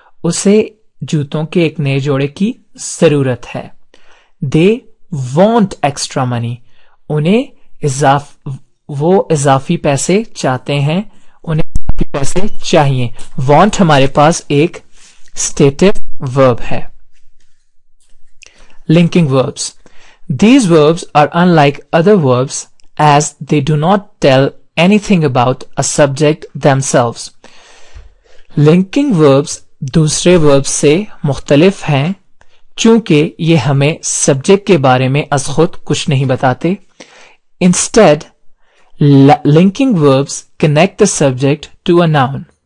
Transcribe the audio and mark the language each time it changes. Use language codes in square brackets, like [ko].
[ur] اسے جوتوں کے ایک نئے جوڑے کی ضرورت ہے [en] They want extra money. [ur] انہیں وہ اضافی پیسے چاہتے ہیں انہیں پیسے چاہیے Want ہمارے پاس ایک stative verb ہے Linking verbs. [en] These verbs are unlike other verbs as they do not tell anything about a subject themselves. [ur] Linking verbs دوسرے وربس سے مختلف ہیں چونکہ یہ ہمیں سبجیکٹ کے بارے میں از خود کچھ نہیں بتاتے [en] instead linking verbs connect the subject to a noun